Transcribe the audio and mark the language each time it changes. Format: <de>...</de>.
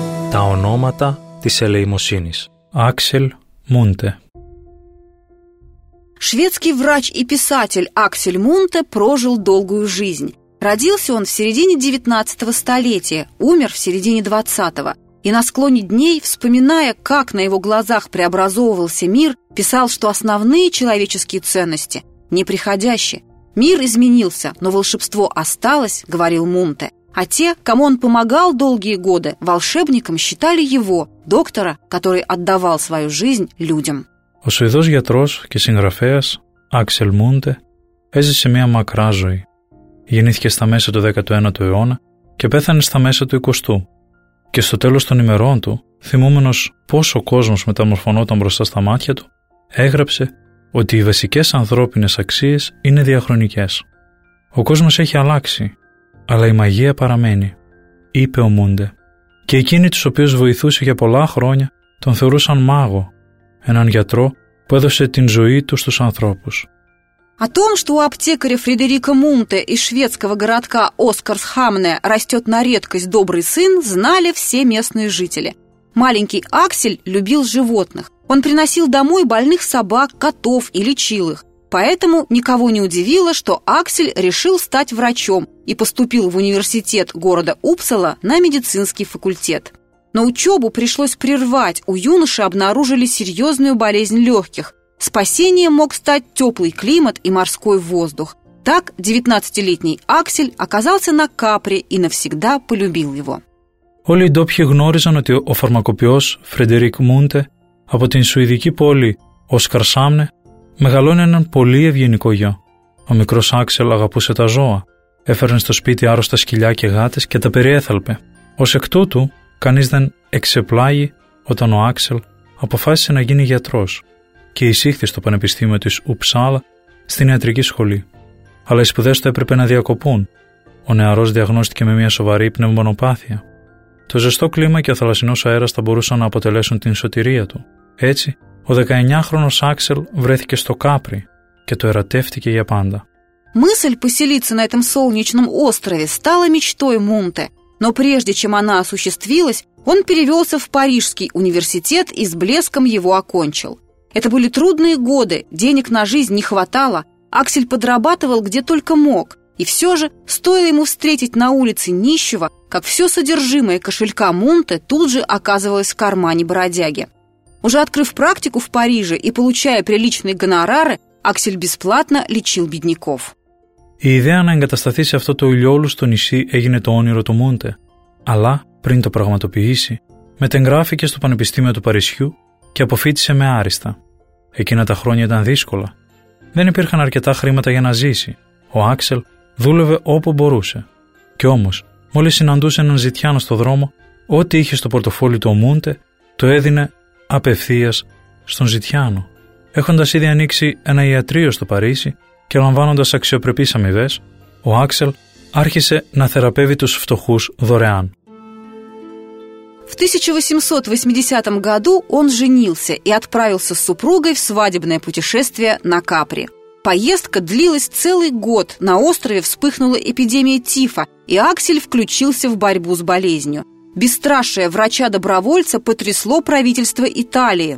<el>Τα ονόματα της ελεημοσύνης. Άξελ Μούντε.</el> <ru>Шведский врач и писатель Аксель Мунте прожил долгую жизнь. Родился он в середине 19 столетия, умер в середине 20-го. И на склоне дней, вспоминая, как на его глазах преобразовывался мир, писал, что основные человеческие ценности – неприходящие. Мир изменился, но волшебство осталось, говорил Мунте. А те, кому он помогал долгие годы, волшебником считали его, доктора, который отдавал свою жизнь людям.</ru> <el>Ο Σουηδός γιατρός και συγγραφέας Άξελ Μούντε έζησε μια μακρά ζωή. Γεννήθηκε στα μέσα του 19ου αιώνα και πέθανε στα μέσα του 20ου. Και στο τέλος των ημερών του, θυμούμενος πόσο ο κόσμος μεταμορφωνόταν μπροστά στα μάτια του, έγραψε ότι οι βασικές ανθρώπινες αξίες είναι διαχρονικές. «Ο κόσμος έχει αλλάξει, αλλά η μαγεία παραμένει», είπε ο Μούντε. και εκείνοι τους οποίους βοηθούσε για πολλά χρόνια τον θεωρούσαν μάγο, έναν γιατρό που έδωσε την ζωή του στους ανθρώπους.</el> <ru>О том, что у аптекаря Фредерика Мунте из шведского городка Оскарсхамне растет на редкость добрый сын, знали все местные жители. Маленький Аксель любил животных. Он приносил домой больных собак, котов и лечил их. Поэтому никого не удивило, что Аксель решил стать врачом и поступил в университет города Упсала на медицинский факультет. Но учебу пришлось прервать, у юноши обнаружили серьезную болезнь легких. Спасением мог стать теплый климат и морской воздух. Так 19-летний Аксель оказался на Капре и навсегда полюбил его.</ru> <el>Όλοι οι ντόπιοι γνώριζαν ότι ο φαρμακοποιός Φρεντερίκ Μούντε από την σουηδική πόλη Οσκαρσάμνε μεγαλώνει έναν πολύ ευγενικό γιο. Ο μικρός Άξελ αγαπούσε τα ζώα, έφερνε στο σπίτι άρρωστα σκυλιά και γάτες και τα περιέθαλπε. Ως εκ τούτου, κανείς δεν εξεπλάγει όταν ο Άξελ αποφάσισε να γίνει γιατρός και εισήχθη στο Πανεπιστήμιο της Ουψάλα στην ιατρική σχολή. Αλλά οι σπουδές του έπρεπε να διακοπούν. Ο νεαρός διαγνώστηκε με μια σοβαρή πνευμονοπάθεια. Το ζεστό κλίμα και ο θαλασσινός αέρας θα μπορούσαν να αποτελέσουν την σωτηρία του. Έτσι, ο 19χρονος Άξελ βρέθηκε στο Κάπρι και το ερατεύτηκε για πάντα.</el> <ru>Мысль поселиться на этом солнечном острове стала мечтой Мунте, но прежде чем она осуществилась, он перевелся в Парижский университет и с блеском его окончил. Это были трудные годы, денег на жизнь не хватало, Аксель подрабатывал где только мог. И все же, стоило ему встретить на улице нищего, как все содержимое кошелька Мунте тут же оказывалось в кармане бродяги. Уже открыв практику в Париже и получая приличные гонорары, Аксель бесплатно лечил бедняков.</ru> <el>Η ιδέα να εγκατασταθεί σε αυτό το ηλιόλουστο νησί έγινε το όνειρο του Μούντε. Αλλά, πριν το πραγματοποιήσει, μετεγγράφηκε στο Πανεπιστήμιο του Παρισιού και αποφύτησε με άριστα. Εκείνα τα χρόνια ήταν δύσκολα. Δεν υπήρχαν αρκετά χρήματα για να ζήσει. Ο Άξελ δούλευε όπου μπορούσε. Κι όμως, μόλις συναντούσε έναν ζητιάνο στο δρόμο, ό,τι είχε στο πορτοφόλι του ο Μούντε, το έδινε απευθείας στον ζητιάνο. Έχοντας ήδη ανοίξει ένα ιατρείο στο Παρίσι και λαμβάνοντας αξιοπρεπείς αμοιβές, ο Άξελ άρχισε να θεραπεύει τους φτωχούς δωρεάν.</el> <ru>В 1880 году он женился и отправился с супругой в свадебное путешествие на Капри. Поездка длилась целый год. На острове вспыхнула эпидемия тифа, и Аксель включился в борьбу с болезнью. Бесстрашие врача-добровольца потрясло правительство Италии.</ru>